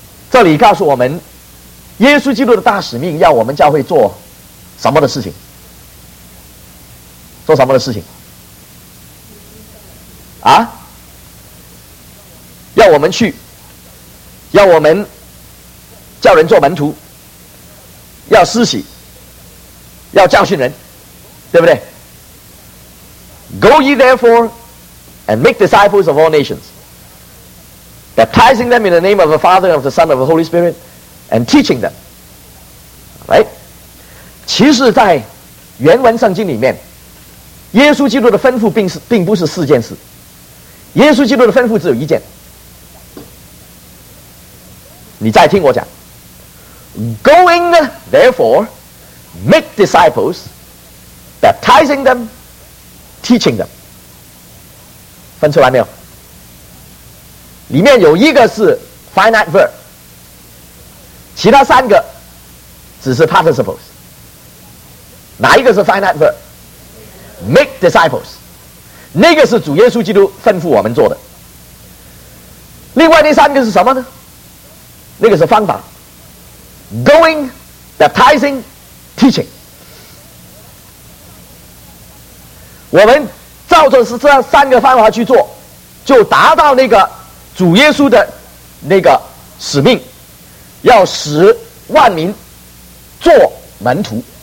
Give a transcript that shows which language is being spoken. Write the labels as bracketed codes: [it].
[zh] 这里告诉我们耶稣基督的大使命，要我们教会做什么的事情，做什么的事情啊？要我们去，要我们叫人做门徒，要施洗，要教训人，对不对？ [en] Go ye therefore and make disciples of all nations, baptizing them in the name of the Father, of the Son, of the Holy Spirit, and teaching them. Right? [zh] 其实在原文圣经里面，耶稣基督的吩咐 并不是四件事，耶稣基督的吩咐只有一件。你再听我讲， [en] Going therefore make disciples, baptizing them, teaching them。 [zh] 分出来没有？里面有一个是 finite verb， 其他三个只是 participles。哪一个是 finite verb？ [en] Make disciples， [zh] 那个是主耶稣基督吩咐我们做的。另外那三个是什么呢？那个是方法， going, baptizing, teaching。我们照着是这三个方法去做，就达到那个主耶稣的那个使命，要使万民做门徒。